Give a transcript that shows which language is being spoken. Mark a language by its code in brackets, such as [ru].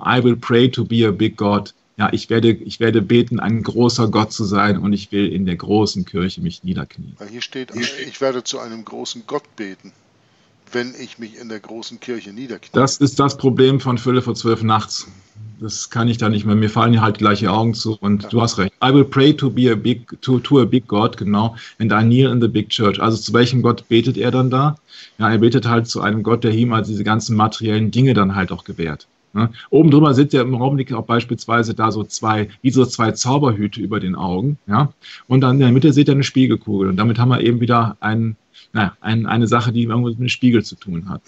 [en] I will pray to be a big God. [de] Ja, ich werde beten, ein großer Gott zu sein und ich will in der großen Kirche mich niederknien. Hier steht, ich werde zu einem großen Gott beten. wenn ich mich in der großen Kirche niederknie. Das ist das Problem von Viertel vor zwölf nachts. Das kann ich da nicht mehr. Mir fallen halt gleich die Augen zu. Und ja, du hast recht. [en] I will pray to be a big, to a big God, genau, and I kneel in the big church. [de] Also zu welchem Gott betet er dann da? Ja, er betet halt zu einem Gott, der ihm also diese ganzen materiellen Dinge dann halt auch gewährt. Ne? Oben drüber sind ja im Augenblick auch beispielsweise da so zwei, wie so zwei Zauberhüte über den Augen. Ja? Und dann in der Mitte seht ihr eine Spiegelkugel. Und damit haben wir eben wieder einen, naja, eine Sache, die irgendwas mit dem Spiegel zu tun hat.